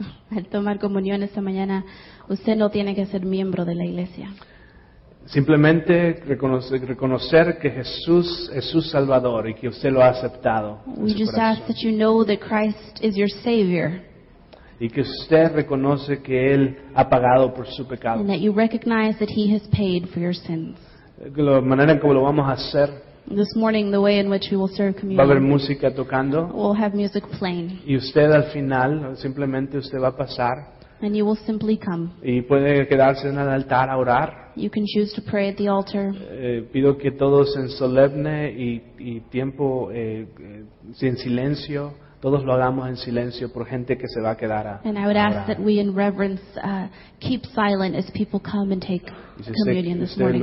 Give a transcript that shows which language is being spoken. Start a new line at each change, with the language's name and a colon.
Spanish: Al tomar comunión esta mañana, usted no tiene que ser miembro de la iglesia. Simplemente reconocer que Jesús es su Salvador y que usted lo ha aceptado.
English: We just ask that you know that Christ is your Savior.
Spanish: Y que usted reconoce que Él ha pagado por su pecado.
English: And that you recognize that He has paid for your sins.
Spanish: La manera en cómo lo vamos a hacer.
English: This morning, the way in which we will serve communion.
Spanish: Va a haber música tocando.
English: We'll have music playing.
Spanish: Y usted al final, simplemente usted va a pasar.
English: And you will simply come.
Spanish: Y puede quedarse en el altar a orar.
English: You can choose to pray at the altar.
Spanish: Pido que todos en solemne y tiempo en silencio, todos lo hagamos en silencio por gente que se va a quedar a orar.
English: And I would ask that we in reverence keep silent as people come and take communion this morning.